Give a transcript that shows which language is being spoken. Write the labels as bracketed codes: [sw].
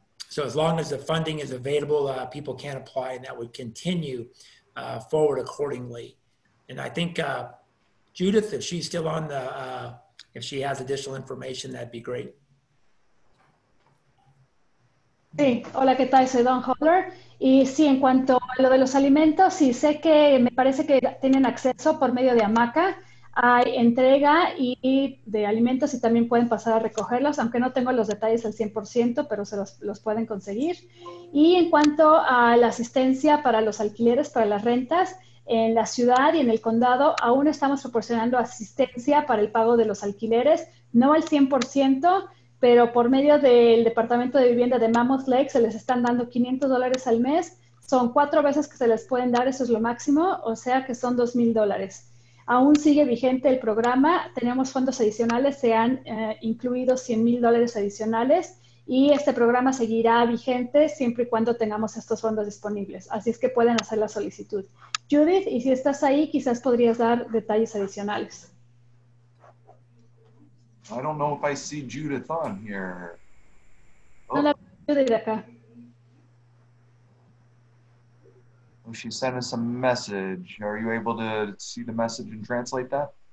[en] So as long as the funding is available, people can apply, and that would continue forward accordingly. And I think Judith, if she's still on the, if she has additional information, that'd be great. [es] Sí, hola, ¿qué tal? Soy Don Holler. Y sí, en cuanto a lo de los alimentos, sí, sé que me parece que tienen acceso por medio de AMACA. Hay entrega y de alimentos y también pueden pasar a recogerlos, aunque no tengo los detalles al 100%, pero se los pueden conseguir. Y en cuanto a la asistencia para los alquileres, para las rentas, en la ciudad y en el condado aún estamos proporcionando asistencia para el pago de los alquileres, no al 100%, pero por medio del Departamento de Vivienda de Mammoth Lake se les están dando $500 al mes. Son cuatro veces que se les pueden dar, eso es lo máximo, o sea que son $2,000. Aún sigue vigente el programa, tenemos fondos adicionales, se han incluido $100,000 adicionales y este programa seguirá vigente siempre y cuando tengamos estos fondos disponibles. Así es que pueden hacer la solicitud. Judith, y si estás ahí, quizás podrías dar detalles adicionales. [en] I don't know if I see Judith on here. Oh, she sent us a message. Are you able to see the message and translate that?